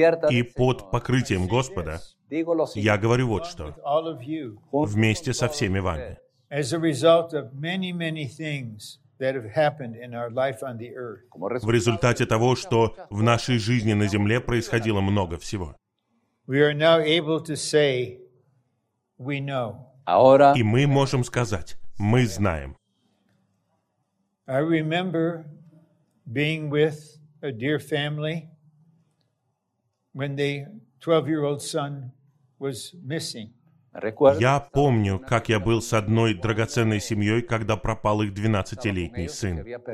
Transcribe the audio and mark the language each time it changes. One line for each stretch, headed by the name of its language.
Russian: И под покрытием Господа я говорю вот что, вместе со всеми вами.
English: As a result of many, many things that have happened in our life on the earth.
Russian: В результате того, что в нашей жизни на земле происходило много всего.
English: We are now able to say, we know.
Spanish: Ahora.
Russian: И мы можем сказать, мы знаем.
English: I remember being with a dear family when their 12-year-old son was missing.
Russian: Я помню, как я был с одной драгоценной семьей, когда пропал их 12-летний сын.